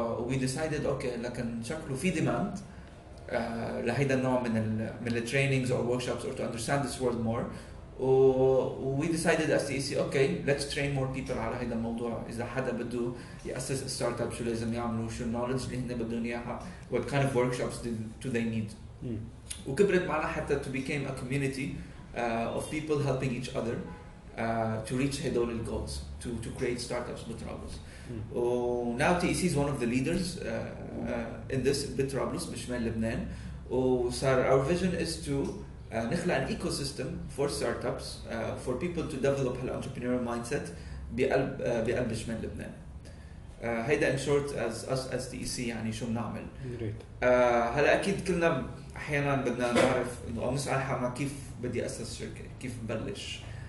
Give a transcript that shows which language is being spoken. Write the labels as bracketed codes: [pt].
[en] We decided okay، [ar] لكن شكله في [en] demand [ar] لهيدا النوع من [en] the trainings or workshops or to understand this world more. We decided as TEC okay، let's train more people [ar] على هيدا الموضوع. إذا حدا بدو يأسس startup شو لازم يعملوا، شو knowledge اللي هن بدون إياها، [en] what kind of workshops do they need. [ar] وكبرت معنا حتى [en] to became a community of people helping each other to reach [ar] هدول ال [en] goals، to create startups [ar] بطرابلس. [en] Now TEC is one of the leaders in this [ar] بطرابلس بشمال لبنان. وصار [en] our vision is to [ar] نخلق [en] an ecosystem for startups for people to develop [ar] هال [en] entrepreneurial mindset [ar] بقلب بشمال لبنان. هيدا [en] in short as TEC [ar] يعني شو بنعمل. هلا أكيد كلنا أحيانا بدنا نعرف إنه أمس على حما كيف بدي أسس شركة، كيف ببلش.